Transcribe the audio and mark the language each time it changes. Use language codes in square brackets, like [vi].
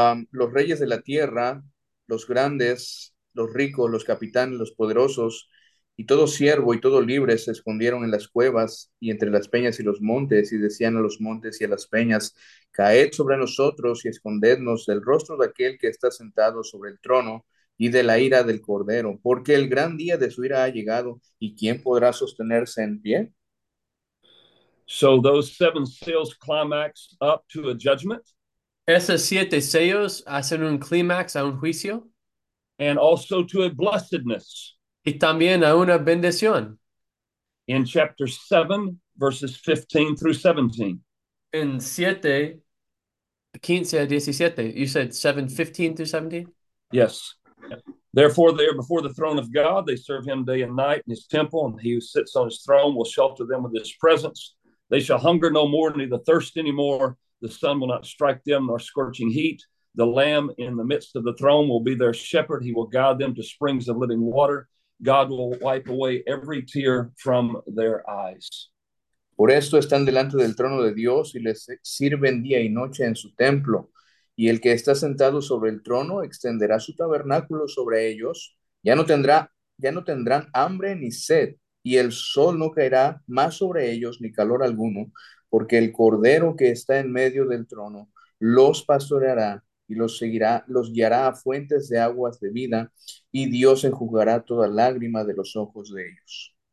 [es] Los reyes de la tierra, los grandes, los ricos, los capitanes, los poderosos, y todo siervo y todo libre se escondieron en las cuevas y entre las peñas y los montes, y decían a los montes y a las peñas, caed sobre nosotros y escondednos del rostro de aquel que está sentado sobre el trono y de la ira del Cordero, porque el gran día de su ira ha llegado, ¿y quién podrá sostenerse en pie? [en] So those seven seals climax up to a judgment. [es] Esos siete sellos hacen un clímax a un juicio. [en] And also to a blessedness. [es] Y también a una bendición. [en] In chapter 7, verses 15 through 17. [es] En 7, 15 a 17. [en] You said 7, 15 through 17? Yes. Therefore, they are before the throne of God. They serve him day and night in his temple. And he who sits on his throne will shelter them with his presence. They shall hunger no more, neither thirst any more. The sun will not strike them, nor scorching heat. The Lamb in the midst of the throne will be their shepherd. He will guide them to springs of living water. God will wipe away every tear from their eyes. [es] Por esto están delante del trono de Dios y les sirven día y noche en su templo. Y el que está sentado sobre el trono extenderá su tabernáculo sobre ellos. Ya no tendrán hambre ni sed, y el sol no caerá más sobre ellos ni calor alguno, porque el Cordero que está en medio del trono los pastoreará y los seguirá, los guiará a fuentes de aguas de vida, y Dios enjugará toda lágrima de los ojos de ellos.